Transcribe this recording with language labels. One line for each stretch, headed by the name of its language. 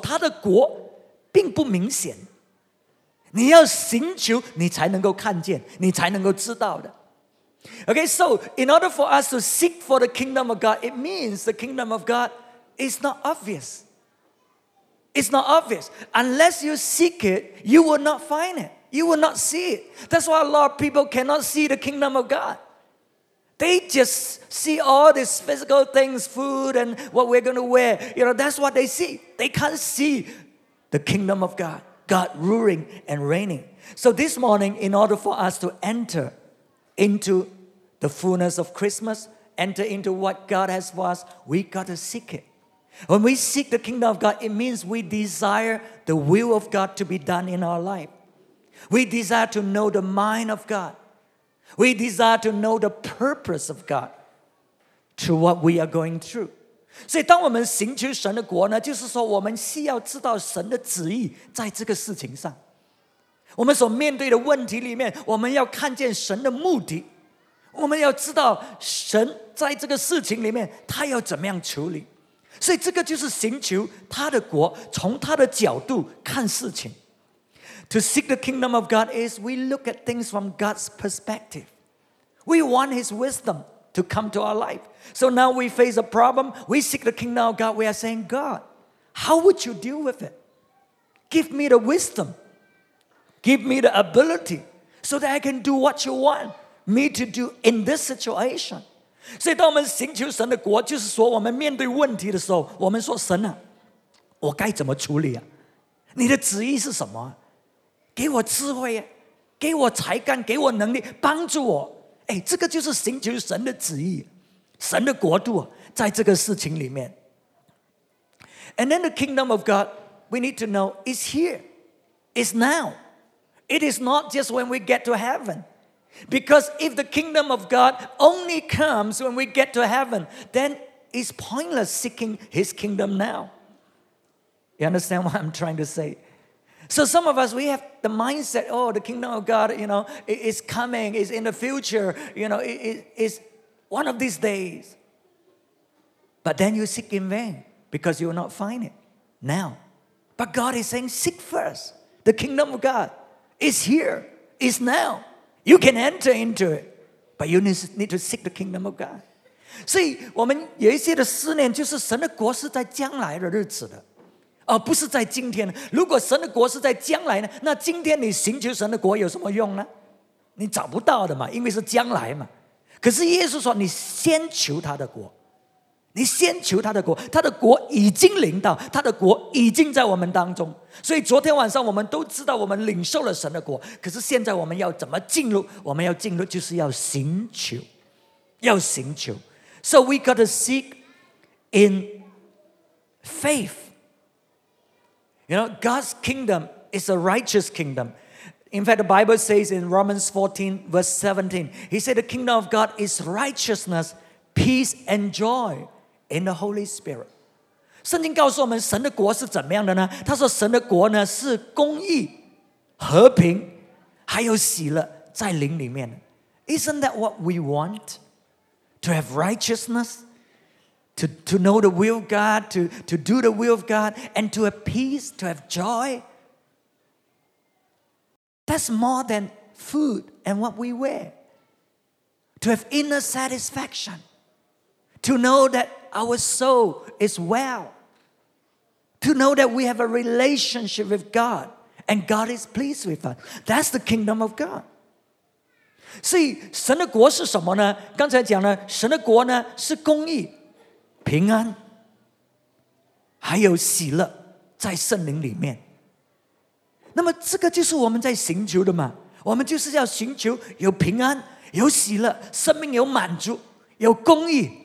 Chinese: 所以他的国呢，是一个属灵的国度。那么这个属灵的国度会彰显在这个世界，在这个世上，在这个物质上的事情里面。可是呢，那个起源点呢，就是在这个属灵界里面。这个就是为什么我们要寻求他的国。所以你需要寻求，就是说他的国并不明显。你要寻求，你才能够看见，你才能够知道的。
English: Okay, so in order for us to seek for the kingdom of God, it means the kingdom of God is not obvious. It's not obvious. Unless you seek it, you will not find it. You will not see it. That's why a lot of people cannot see the kingdom of God. They just see all these physical things, food and what we're going to wear. You know, that's what they see. They can't see the kingdom of God. God ruling and reigning. So this morning, in order for us to enter into the fullness of Christmas, enter into what God has for us, we got to seek it. When we seek the kingdom of God, it means we desire the will of God to be done in our life. We desire to know the mind of God. We desire to know the purpose of God to what we are going through.
Chinese: 所以当我们寻求神的国呢，就是说我们需要知道神的旨意在这个事情上。我们所面对的问题里面，我们要看见神的目的，我们要知道神在这个事情里面他要怎么样处理，所以这个就是寻求他的国，从他的角度看事情。
English: To seek the kingdom of God is we look at things from God's perspective. We want his wisdom to come to our life. So now we face a problem, we seek the kingdom of God, we are saying, God, how would you deal with it? Give me the wisdom. Give me the ability so that I can do what you want me to do in this situation.
Chinese: 所以当我们寻求神的国，就是说我们面对问题的时候，我们说神啊，我该怎么处理啊？你的旨意是什么？给我智慧啊，给我才干，给我能力，帮助我。哎，这个就是寻求神的旨意，神的国度啊，在这个事情里面。
English: And then the kingdom of God, we need to know, is here, is now. It is not just when we get to heaven. Because if the kingdom of God only comes when we get to heaven, then it's pointless seeking his kingdom now. You understand what I'm trying to say? So some of us, we have the mindset, oh, the kingdom of God, you know, is coming, is in the future, you know, is one of these days. But then you seek in vain because you will not find it now. But God is saying, seek first. The kingdom of God is here, is now. You can enter into it, but you need to seek the kingdom of God.
Chinese: 所以我们有一些的思念，就是神的国是在将来的日子的，而不是在今天。如果神的国是在将来呢，那今天你寻求神的国有什么用呢？你找不到的嘛，因为是将来嘛。可是耶稣说，你先求他的国，你先求他的国，他的国已经临到，他的国已经在我们当中。所以昨天晚上我们都知道我们领受了神的国，可是现在我们要怎么进入？我们要进入就是要寻求，要寻求。
English: So we got to seek in faith. You know, God's kingdom is a righteous kingdom. In fact, the Bible says in Romans 14 verse 17, He said the kingdom of God is righteousness, peace and joy. In the Holy Spirit.
Chinese: 圣经告诉我们神的国是怎么样的呢？他说神的国呢是公义、和平，还有喜乐在灵里面。
English: Isn't that what we want? To have righteousness, to know the will of God, to do the will of God, and to have peace, to have joy. That's more than food and what we wear. To have inner satisfaction, to know thatOur soul is well. To know that we have a relationship with God and God is pleased with us. That's the kingdom of God. See,
Chinese: 神的国是什么呢？刚才讲了，神的国呢是公义、平安，还有喜乐在圣灵里面。那么这个就是我们在寻求的嘛？我们就是要寻求有平安、有喜乐、生命有满足、有公义。